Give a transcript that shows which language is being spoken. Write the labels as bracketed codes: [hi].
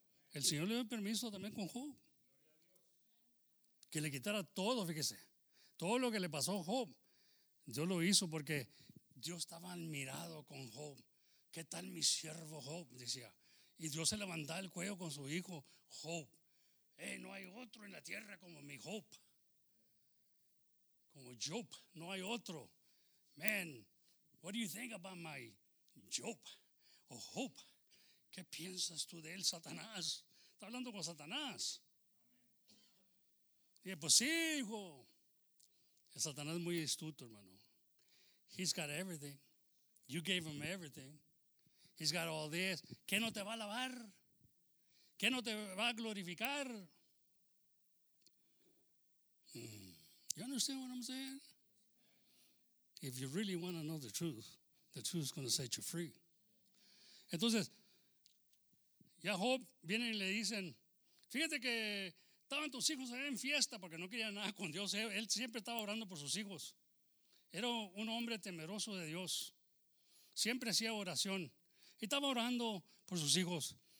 [es] El Señor le dio permiso también con Job, que le quitara todo, fíjese, todo lo que le pasó a Job, Dios lo hizo porque Dios estaba admirado con Job. ¿Qué tal mi siervo Job? Decía. Y Dios se levantaba el cuello con su hijo Job. Hey, no hay otro en la tierra como mi Job. Como Job, no hay otro. [en] Man, what do you think about my Job? [es] O Job, ¿qué piensas tú de él, Satanás? Está hablando con Satanás. Dije, pues sí, hijo. El Satanás es muy astuto, hermano. [en] He's got everything. You gave him everything. He's got all this. [es] ¿Qué no te va a alabar? ¿Qué no te va a glorificar? [en] You understand what I'm saying? If you really want to know the truth is going to set you free. [es] Entonces, ya Job viene y le dicen, fíjate que estaban tus hijos en fiesta porque no querían nada con Dios. Él siempre estaba orando por sus hijos. Era un hombre temeroso de Dios. Siempre hacía oración. Y estaba orando por sus hijos.